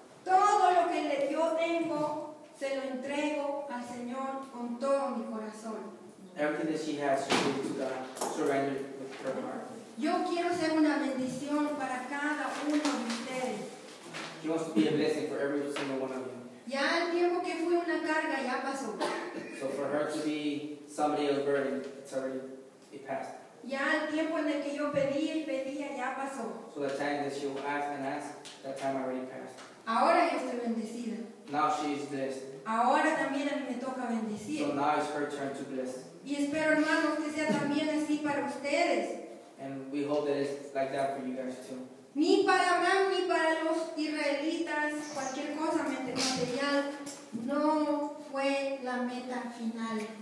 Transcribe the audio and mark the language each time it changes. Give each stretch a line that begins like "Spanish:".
Spanish: Todo lo que yo tengo, se lo entrego al Señor con todo mi corazón.
English: Everything that she has, she gave to God, surrendered with her heart.
Spanish: Yo quiero ser una bendición para cada uno de ustedes.
English: She wants to be a blessing for every single one of you.
Spanish: Ya el tiempo que fui una carga ya pasó.
English: So for her to be somebody else's burden, it's already it passed.
Spanish: Ya el tiempo en el que yo pedía y pedía ya pasó.
English: So the time that she asked and asked, that time already passed.
Spanish: Ahora ya estoy bendecida.
English: Now she is blessed.
Spanish: Ahora también a mí me toca bendecir.
English: So now it's her turn to bless.
Spanish: Y espero, hermanos, que sea también así para ustedes.
English: And we hope that it's like that for you guys too.
Spanish: Ni para Abraham ni para los israelitas, cualquier cosa material, no fue la meta final.